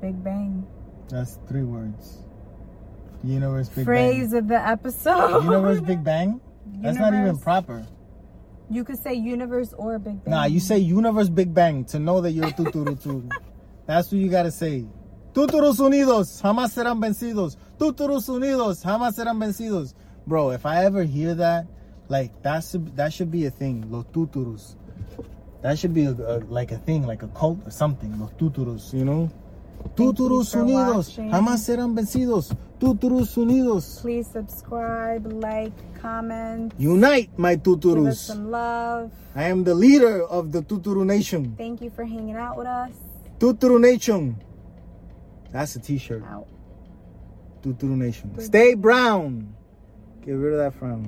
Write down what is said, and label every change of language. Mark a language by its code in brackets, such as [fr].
[en] Big Bang. That's three words. Universe, Big Phrase Bang. Phrase of the episode. Universe, Big Bang? Universe. That's not even proper. You could say universe or Big Bang. Nah, you say universe, Big Bang to know that you're tuturutu. That's what you got to say. [es] Tuturus unidos, jamás serán vencidos. Tuturus unidos, jamás serán vencidos. [en] Bro, if I ever hear that, like, that should be a thing. Los tuturus. That should be like a thing, like a cult or something. Los tuturus, you know? [es] Tuturus unidos, jamás serán vencidos. Tuturus unidos. [en] Please subscribe, like, comment. Unite, my tuturus. Give us some love. I am the leader of the tuturu nation. Thank you for hanging out with us. Tuturu nation. That's a t-shirt. Out. Tuturu nation. Stay brown. Get rid of that frown.